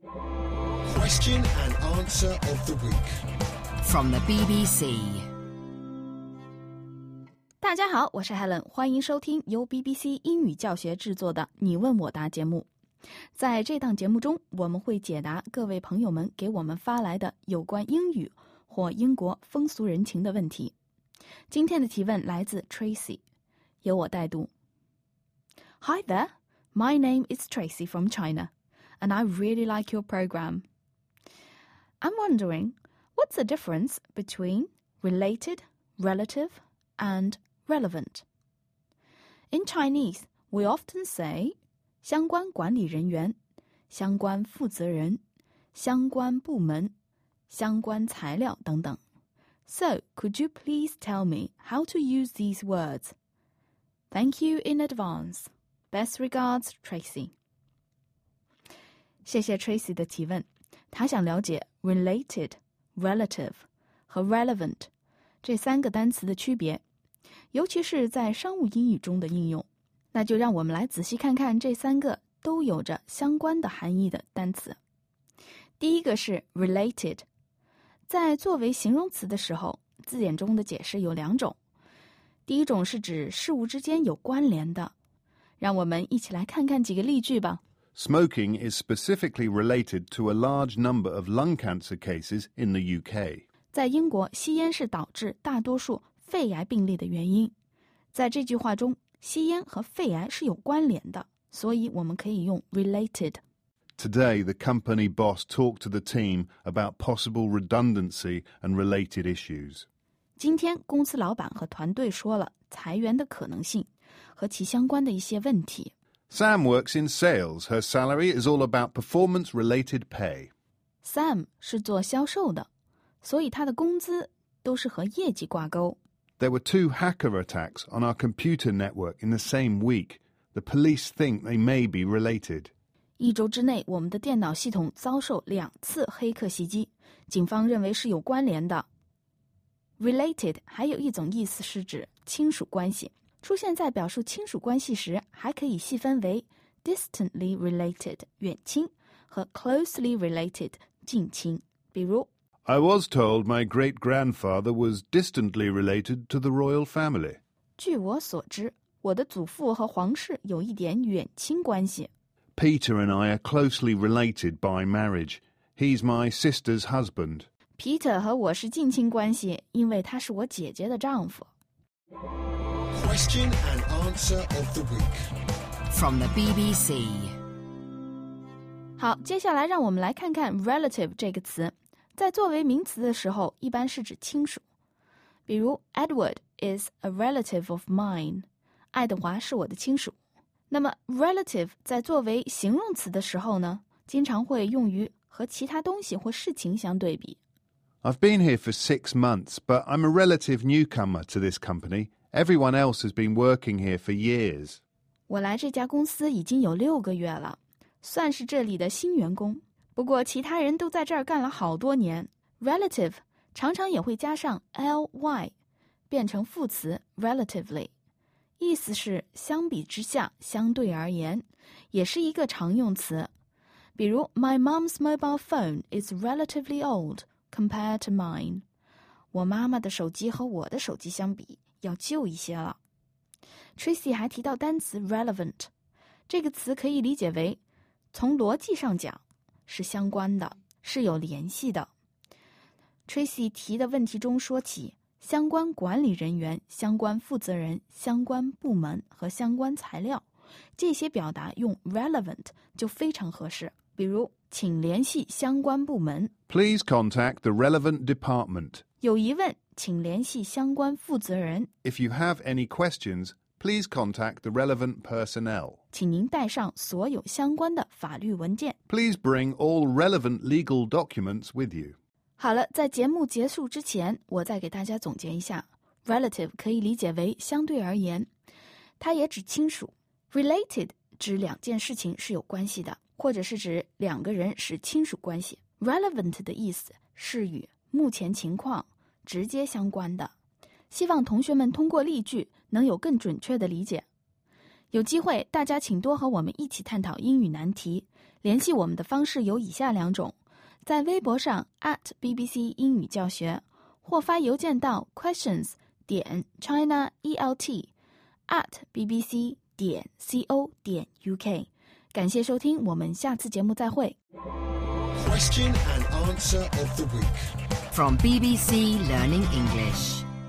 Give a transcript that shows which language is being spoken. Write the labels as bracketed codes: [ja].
[en] Question and answer of the week from the BBC. [zh] 大家好，我是 Helen， 欢迎收听由 BBC 英语教学制作的《你问我答》节目。在这档节目中，我们会解答各位朋友们给我们发来的有关英语或英国风俗人情的问题。今天的提问来自 Tracy， 由我代读。 [en] Hi there, my name is Tracy from China, and I really like your program. I'm wondering, what's the difference between related, relative, and relevant? In Chinese, we often say [zh] 相关管理人员、相关负责人、相关部门、相关材料等等。 [en] So, could you please tell me how to use these words? Thank you in advance. Best regards, Tracy. [zh] 谢谢 Tracy 的提问，他想了解 related, relative 和 relevant 这三个单词的区别，尤其是在商务英语中的应用。那就让我们来仔细看看这三个都有着相关的含义的单词。第一个是 related， 在作为形容词的时候，字典中的解释有两种。第一种是指事物之间有关联的，让我们一起来看看几个例句吧。 [en] Smoking is specifically related to a large number of lung cancer cases in the UK. [zh] 在英国，吸烟是导致大多数肺癌病例的原因。在这句话中，吸烟和肺癌是有关联的，所以我们可以用 related. [en] Today, the company boss talked to the team about possible redundancy and related issues. [zh] 今天，公司老板和团队说了裁员的可能性。和其相关的一些问题。 [en] Sam works in sales. Her salary is all about performance-related pay. [zh] Sam 是做销售的，所以他的工资都是和业绩挂钩。 [en] There were two hacker attacks on our computer network in the same week. The police think they may be related. [zh] 一周之内，我们的电脑系统遭受两次黑客袭击，警方认为是有关联的。 Related 还有一种意思是指亲属关系。出现在表述亲属关系时，还可以细分为 distantly related 远亲和 closely related 近亲。比如 [en] ，I was told my great grandfather was distantly related to the royal family. [zh] 据我所知，我的祖父和皇室有一点远亲关系。 [en] Peter and I are closely related by marriage. He's my sister's husband. [zh] Peter 和我是近亲关系，因为他是我姐姐的丈夫。 [en] Question and answer of the week from the BBC. [zh] 好，接下来让我们来看看 relative 这个词，在作为名词的时候，一般是指亲属。比如 [en] ，Edward is a relative of mine. [zh] 爱德华是我的亲属。那么 ，relative 在作为形容词的时候呢，经常会用于和其他东西或事情相对比。 [en] I've been here for 6 months, but I'm a relative newcomer to this company. Everyone else has been working here for years. [zh] 我来这家公司已经有6个月了，算是这里的新员工。不过其他人都在这儿干了好多年。Relative 常常也会加上 ly， 变成副词 relatively， 意思是相比之下，相对而言，也是一个常用词。比如 [en] ，My mom's mobile phone is relatively old. Compared to mine, [zh] 我妈妈的手机和我的手机相比要旧一些了。 Tracy 还提到单词 relevant， 这个词可以理解为从逻辑上讲是相关的，是有联系的。 Tracy 提的问题中说起相关管理人员、相关负责人、相关部门和相关材料，这些表达用 relevant 就非常合适。比如，请联系相关部门。 [en] Please contact the relevant department. [zh] 有疑问，请联系相关负责人。 [en] If you have any questions, please contact the relevant personnel. [zh] 请您带上所有相关的法律文件。 [en] Please bring all relevant legal documents with you. [zh] 好了，在节目结束之前，我再给大家总结一下。 Relative 可以理解为相对而言，它也指亲属。 Related 指两件事情是有关系的。或者是指两个人是亲属关系。 Relevant 的意思是与目前情况直接相关的。希望同学们通过例句能有更准确的理解。有机会大家请多和我们一起探讨英语难题。联系我们的方式有以下两种。在微博上 at BBC 英语教学，或发邮件到 questions.chinaelt@bbc.co.uk。感谢收听，我们下次节目再会。 [en] Question and answer of the week from BBC Learning English.